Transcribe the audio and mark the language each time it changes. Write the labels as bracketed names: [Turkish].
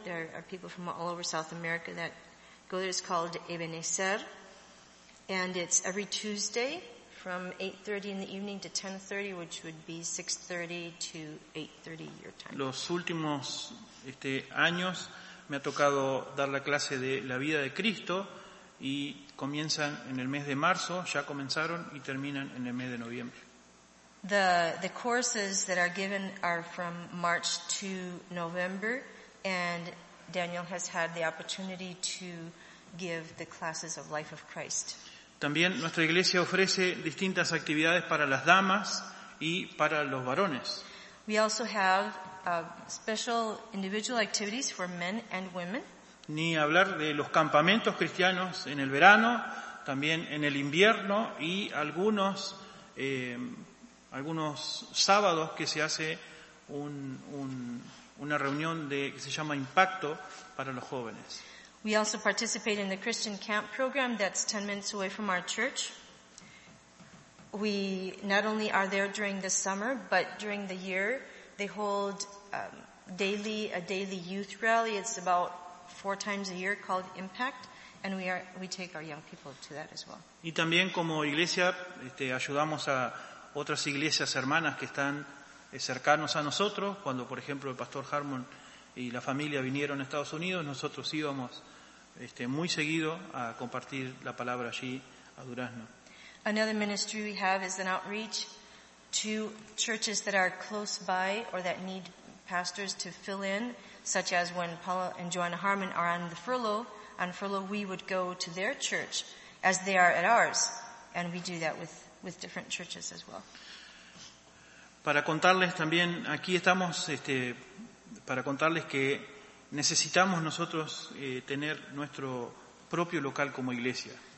[English] There are people from all over South America that go there. It's called Ebenezer, and it's every Tuesday from 8:30 in the evening to 10:30, which would be 6:30 to 8:30 your time. [Spanish] Los últimos años me ha tocado dar la clase de la vida de Cristo, y comienzan en el mes de marzo, ya comenzaron, y terminan en el mes de noviembre. [English] The courses that are given are from March to November, and Daniel has had the opportunity to give the classes of Life of Christ. [Spanish] También nuestra iglesia ofrece distintas actividades para las damas y para los varones. [English] We also have special individual activities for men and women. [Spanish] Ni hablar de los campamentos cristianos en el verano, también en el invierno, y algunos sábados que se hace una reunión que se llama Impacto para los jóvenes. [English] We also participate in the Christian camp program that's 10 minutes away from our church. We not only are there during the summer, but during the year, they hold a daily youth rally. It's about 4 times a year, called Impact, and we take our young people to that as well. [Spanish] Y también como iglesia ayudamos a otras iglesias hermanas que están cercanos a nosotros. Cuando, por ejemplo, el pastor Harmon y la familia vinieron a Estados Unidos, nosotros íbamos muy seguido a compartir la palabra allí a Durazno. [English] Another ministry we have is an outreach to churches that are close by or that need pastors to fill in, such as when Paula and Joanna Harmon are on furlough, we would go to their church as they are at ours, and we do that with with different churches as well. [Spanish] Para contarles también, aquí estamos para contarles que necesitamos nosotros tener nuestro propio local como iglesia.